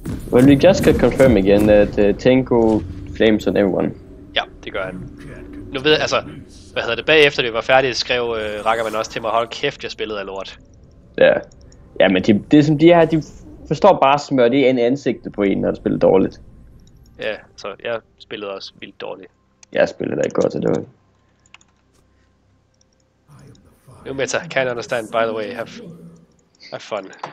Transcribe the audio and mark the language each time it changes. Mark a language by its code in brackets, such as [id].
[en] Well, we just could confirm again that Tengu flames on everyone. [da] Ja, det gør han. Nu ved jeg, altså, hvad hedder det, bagefter det var færdigt, skrev Rakkerman også til mig, hold kæft, jeg spillede af lort. Ja, ja, men det er som de her, de forstår bare at smøre det ind i ansigtet på en, når de spiller dårligt. Ja, så jeg spillede også vildt dårligt. Jeg spillede da ikke godt, så det var. [en] Nu Meta, can't understand, by the way, have fun.